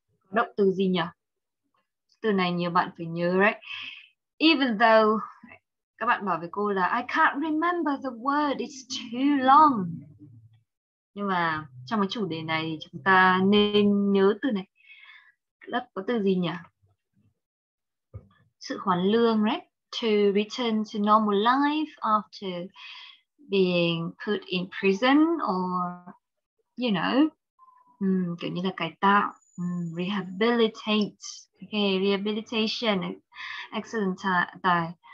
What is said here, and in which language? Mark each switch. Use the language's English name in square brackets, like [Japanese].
[Vietnamese] Động từ gì nhỉ? Từ này nhiều bạn phải nhớ, right? [English] Even though, [Vietnamese] các bạn bảo với cô là [English] I can't remember the word, it's too long. [Vietnamese] Nhưng mà trong cái chủ đề này chúng ta nên nhớ từ này. Lớp có từ gì nhỉ? Sự hoàn lương, right? [English] To return to normal life after being put in prison or, you know, [Vietnamese] kiểu như là cải tạo, [English] rehabilitate, okay, rehabilitation, excellent [Vietnamese] tài.